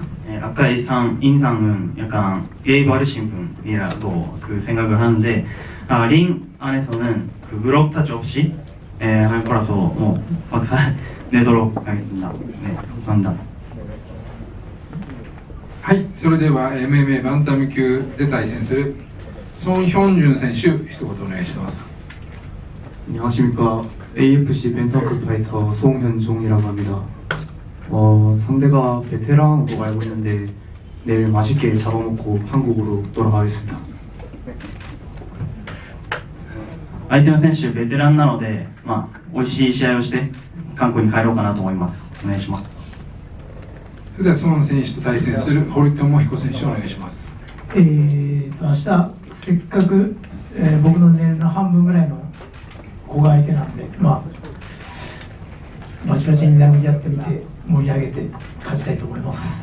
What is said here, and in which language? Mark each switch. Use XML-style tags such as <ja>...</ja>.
<ko>아까이상인상은약간게이브하르신분이라고그생각을하는데링안에서는그블록타지없이할거라서뭐박살내도록하겠습니다。 네감사합니다。</ko> <ja>はい、それでは MMA バンタム級で対戦するソン・ヒョンジュン選手、一言お願いします。</ja> <ko>안녕하십니까 AFC 벤타급파이터ソン・ヒョンジュン이라고합니다。 상대가베테랑으로알고있는데내일맛있게잡아먹고한국으로돌아가겠습니다。</ko> <ja>相手の選手ベテランなので、まあ美味しい試合をして韓国に帰ろうかなと思います。お願いします。それではソン選手と対戦する堀友彦選手、お願いします。明日せっかく、僕の年齢の半分ぐらいの子が相手なんで、まあバチバチに殴り合ってみて盛り上げて勝ちたいと思います。</ja>